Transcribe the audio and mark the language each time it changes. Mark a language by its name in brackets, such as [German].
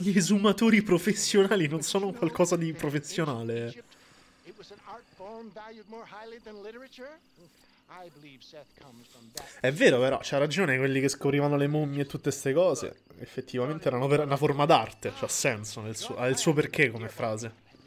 [Italian] Gli esumatori professionali non sono qualcosa di professionale. [English] It was an art form valued more highly than literature. I believe Seth comes from that. [Italian] È vero, però c'ha ragione, quelli che scoprivano le mummie e tutte ste cose effettivamente erano una forma d'arte, cioè ha senso nel suo, ha il suo perché come frase.